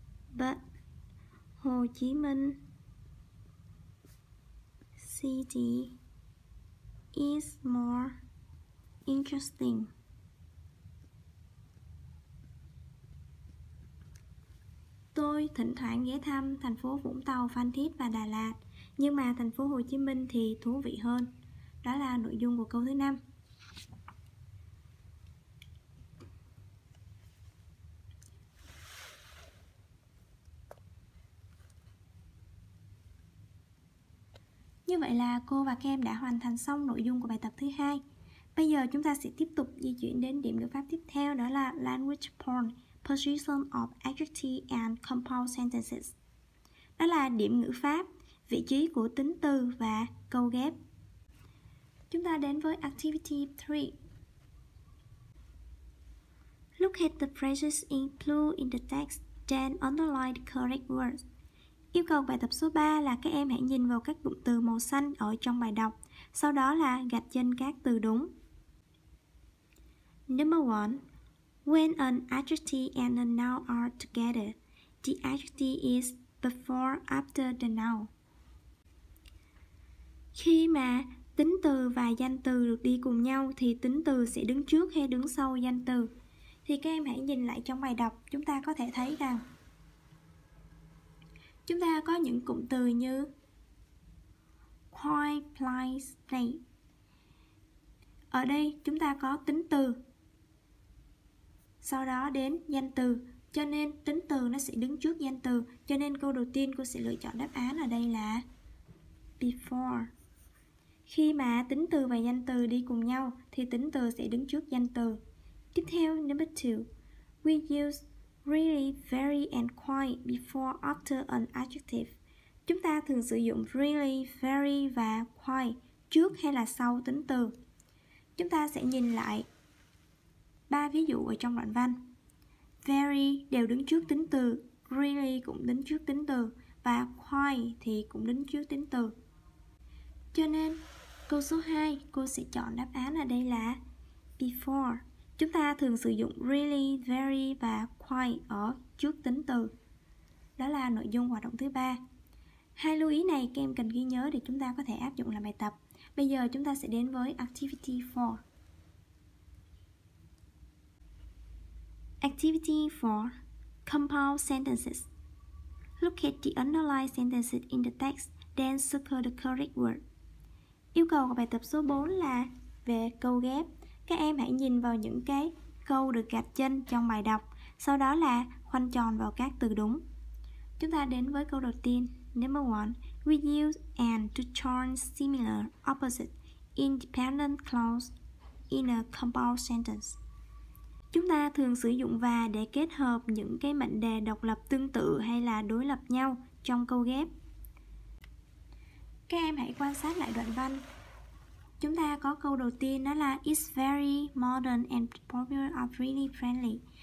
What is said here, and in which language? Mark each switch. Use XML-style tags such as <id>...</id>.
<en>But Hồ Chí Minh City is more interesting.</en> <vi>Tôi thỉnh thoảng ghé thăm thành phố Vũng Tàu, Phan Thiết và Đà Lạt, nhưng mà thành phố Hồ Chí Minh thì thú vị hơn. Đó là nội dung của câu thứ 5. Như vậy là cô và các em đã hoàn thành xong nội dung của bài tập thứ 2. Bây giờ chúng ta sẽ tiếp tục di chuyển đến điểm ngữ pháp tiếp theo, đó là</vi> <en>Language Point, Position of Adjective and Compound Sentences.</en> <vi>Đó là điểm ngữ pháp, vị trí của tính từ và câu ghép. Chúng ta đến với Activity 3.</vi> <en>Look at the phrases in blue in the text, then underline the correct words.</en> <vi>Yêu cầu bài tập số 3 là các em hãy nhìn vào các cụm từ màu xanh ở trong bài đọc, sau đó là gạch chân các từ đúng.</vi> <en>Number 1. When an adjective and a noun are together, the adjective is before after the noun.</en> <vi>Khi mà tính từ và danh từ được đi cùng nhau thì tính từ sẽ đứng trước hay đứng sau danh từ? Thì các em hãy nhìn lại trong bài đọc, chúng ta có thể thấy rằng chúng ta có những cụm từ như</vi> <en>quiet place</en> <vi>này. Ở đây chúng ta có tính từ, sau đó đến danh từ, cho nên tính từ nó sẽ đứng trước danh từ. Cho nên câu đầu tiên cô sẽ lựa chọn đáp án ở đây là before. Khi mà tính từ và danh từ đi cùng nhau thì tính từ sẽ đứng trước danh từ. Tiếp theo,</vi> <en>number 2. We use really, very and quite before after an adjective.</en> <vi>Chúng ta thường sử dụng really, very và quite trước hay là sau tính từ. Chúng ta sẽ nhìn lại ba ví dụ ở trong đoạn văn. Very đều đứng trước tính từ, really cũng đứng trước tính từ và quite thì cũng đứng trước tính từ. Cho nên câu số 2 cô sẽ chọn đáp án ở đây là before. Chúng ta thường sử dụng really, very và quite ở trước tính từ. Đó là nội dung hoạt động thứ 3. Hai lưu ý này các em cần ghi nhớ để chúng ta có thể áp dụng làm bài tập. Bây giờ chúng ta sẽ đến với Activity 4.</vi> <en>Activity 4. Compound sentences. Look at the underlined sentences in the text, then circle the correct word.</en> <vi>Yêu cầu của bài tập số 4 là về câu ghép. Các em hãy nhìn vào những cái câu được gạch chân trong bài đọc, sau đó là khoanh tròn vào các từ đúng. Chúng ta đến với câu đầu tiên.</vi> <en>Number 1. We use and to join similar opposite independent clause. in a compound sentence.</en> <vi>Chúng ta thường sử dụng và để kết hợp những cái mệnh đề độc lập tương tự hay là đối lập nhau trong câu ghép. Các em hãy quan sát lại đoạn văn. Chúng ta có câu đầu tiên đó là</vi> <en>It's very modern and popular and really friendly.</en>